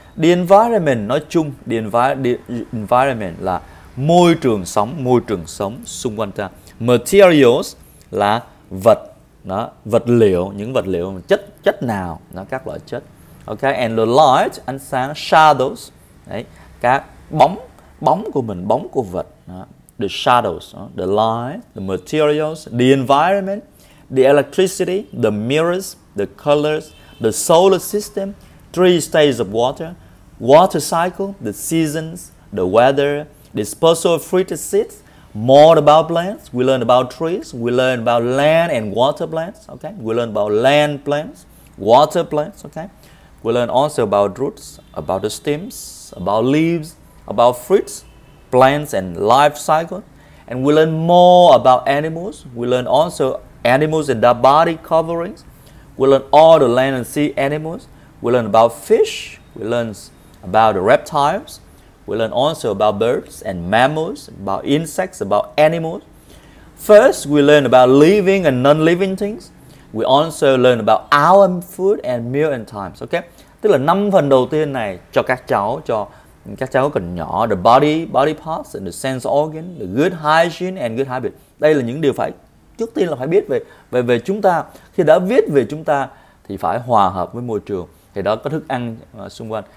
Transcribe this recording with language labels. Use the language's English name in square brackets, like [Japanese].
[Vietnamese] The environment, nói chung, the environment là môi trường sống xung quanh ta. Materials là vật, đó, vật liệu, những vật liệu, chất nào, đó, các loại chất. [English] Ok, and the light, [Vietnamese] ánh sáng, shadows, đấy, các bóng của mình, bóng của vật, đó. [English] The shadows, đó, the light, the materials, the environment, the electricity, the mirrors, the colors, the solar system, three states of water, water cycle, the seasons, the weather, dispersal of fruit and seeds, more about plants, we learn about trees, we learn about land and water plants, okay? We learn about land plants, water plants, okay? We learn also about roots, about the stems, about leaves, about fruits, plants and life cycle. And we learn more about animals, we learn also animals and their body coverings, we learn all the land and sea animals, we learn about fish, we learn about the reptiles, we learn also about birds and mammals, about insects, about animals. First, we learn about living and non-living things. We also learn about our food and meal and times. Okay? [Vietnamese] Tức là năm phần đầu tiên này cho các cháu còn nhỏ, [English] the body parts and the sense organ, the good hygiene and good habit. [Vietnamese] Đây là những điều phải trước tiên là phải biết về chúng ta. Khi đã biết về chúng ta thì phải hòa hợp với môi trường. Thì đó có thức ăn xung quanh.